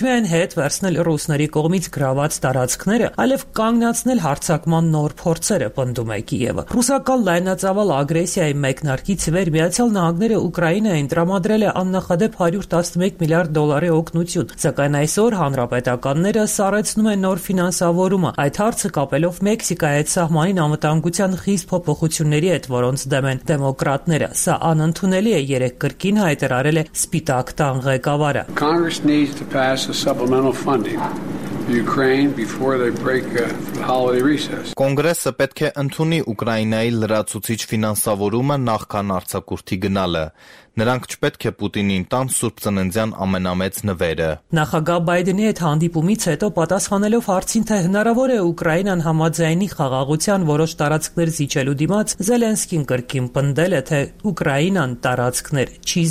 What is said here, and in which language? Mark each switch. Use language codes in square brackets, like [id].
[hy] միայն հետ վերցնել ռուսների կողմից գրաված տարածքները, այլև կանգնացնել հարձակման նոր փորձերը, պնդում է Կիևը։ Ռուսական լայնածավալ ագրեսիայի մեկնարկից վեր Միացյալ Նահանգները Ուկրաինային տրամադրել է աննախադեպ 111 միլիարդ դոլարի օգնություն, սակայն այսօր հանրապետականները սառեցնում նոր ֆինանսավորումը, այդ հարցը կապելով Մեքսիկայի հետ սահմանին անվտանգության խիստ փոփոխությունների հետ, որոնց դեմ են դեմոկրատները։ Սա անընդունելի է, երեք կրկին հայտարարել է Սպիտակ տան ղեկավարը։ [en] Congress needs to pass a supplemental funding Ukraine before they break the holiday recess. [hy] Կոնգրեսը պետք է ընդունի Ուկրաինայի լրացուցիչ ֆինանսավորումը նախքան արձակուրդի գնալը։ Նրանք չպետք է Պուտինին տան Սուրբ Ծննդյան ամենամեծ նվերը։ Նախագահ Բայդենի հետ հանդիպումից հետո պատասխանելով հարցին, թե հնարավոր է Ուկրաինան համաձայնի խաղաղության որոշ տարածքներ զիջելու դիմաց, Զելենսկին կրկին պնդել է, թե Ուկրաինան տարածքներ չի